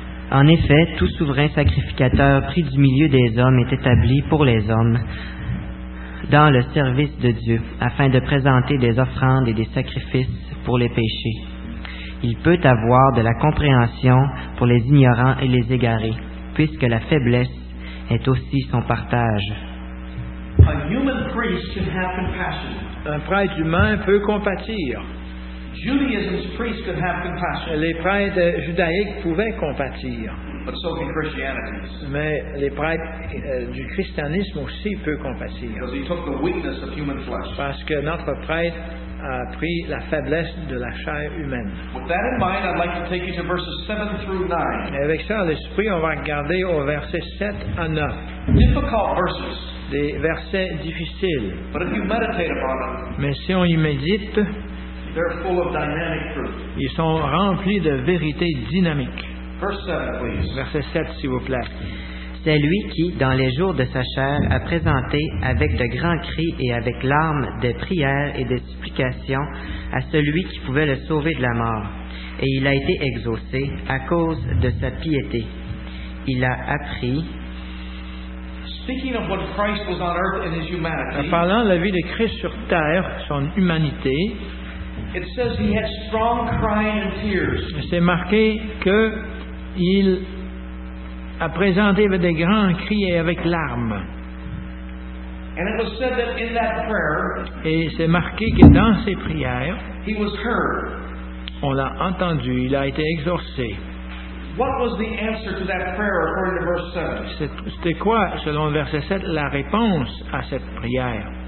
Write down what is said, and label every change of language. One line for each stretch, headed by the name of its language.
French: En effet, tout souverain sacrificateur pris du milieu des hommes est établi pour les hommes dans le service de Dieu, afin de présenter des offrandes et des sacrifices pour les péchés. Il peut avoir de la compréhension pour les ignorants et les égarés, puisque la faiblesse est aussi son partage.
English: A human priest can have compassion.
French: Un prêtre humain peut compatir.
English: Judaism's priest could have compassion.
French: Les prêtres judaïques pouvaient compatir.
English: But so can Christianity.
French: Mais les prêtres du christianisme aussi peuvent compatir.
English: Because he took the weakness of human flesh.
French: Parce que notre prêtre a pris la faiblesse de la chair humaine.
English: With that in mind, I'd like to take you to verses 7 through 9.
French: Et avec ça, l'esprit, on va regarder au verset 7 à 9.
English: Difficult verses.
French: Des versets difficiles.
English: But if you meditate upon them,
French: mais si on y médite,
English: they're full of dynamic truth.
French: Ils sont remplis de vérité dynamique.
English: Verse 7, please.
French: Verset 7, s'il vous plaît. C'est lui qui, dans les jours de sa chair, a présenté avec de grands cris et avec larmes des prières et des supplications à celui qui pouvait le sauver de la mort. Et il a été exaucé à cause de sa piété. Il a appris
English: Speaking of what Christ was on earth in his humanity,
French: en parlant de la vie de Christ sur terre, son humanité,
English: it says he had strong crying and tears.
French: C'est marqué que il a présenté avec des grands cris et avec larmes.
English: And it was said that in that prayer,
French: et c'est marqué que dans ses prières,
English: he was heard.
French: On l'a entendu, il a été exorcé.
English: What was the answer to that prayer according to verse 7?
French: C'était quoi, selon le verset 7, la réponse à cette prière?